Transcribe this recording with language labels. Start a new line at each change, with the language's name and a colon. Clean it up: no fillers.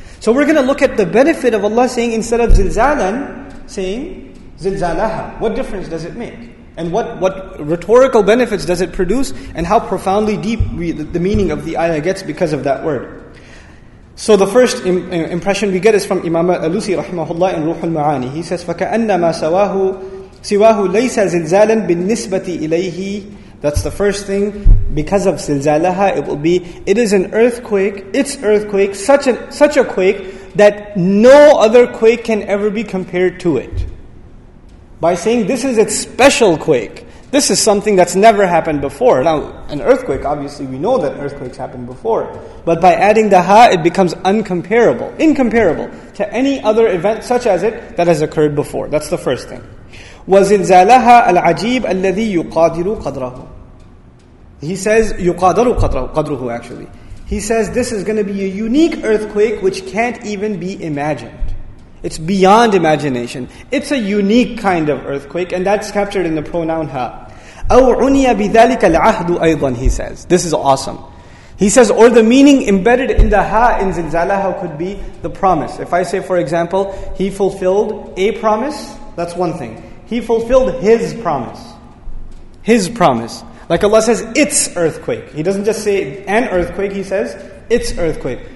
English: So we're going to look at the benefit of Allah saying, instead of zilzalan, saying zilzalaha. What difference does it make? And what rhetorical benefits does it produce? And how profoundly deep the meaning of the ayah gets because of that word. So the first impression we get is from Imam Al-Alusi rahimahullah in Ruhul Ma'ani. He says,
Arabic: فَكَأَنَّمَا سَوَاهُ سِوَاهُ لَيْسَ زِلْزَالًا بِالنِّسْبَةِ إِلَيْهِ.
English: That's the first thing. Because of زِلْزَالَهَا, it will be, it is an earthquake, it's earthquake, such a quake, that no other quake can ever be compared to it. By saying this is its special quake, this is something that's never happened before. Now, an earthquake, obviously we know that earthquakes happened before. But by adding the ha, it becomes uncomparable, incomparable to any other event such as it that has occurred before. That's the first thing.
Arabic: وَزِلْزَالَهَا الْعَجِيبُ الَّذِي يُقَادِرُ قَدْرَهُ.
English: He says,
Arabic: يُقَادَرُ قَدْرُهُ
English: actually. He says, this is going to be a unique earthquake which can't even be imagined. It's beyond imagination. It's a unique kind of earthquake, and that's captured in the pronoun ha.
Arabic: أَوْ عُنِيَ بِذَلِكَ الْعَهْدُ أَيْضًا,
English: he says. This is awesome. He says, or the meaning embedded in the ha in zilzalaha could be the promise. If I say, for example, he fulfilled a promise, that's one thing. He fulfilled his promise. His promise. Like Allah says, its earthquake. He doesn't just say an earthquake, he says, its earthquake.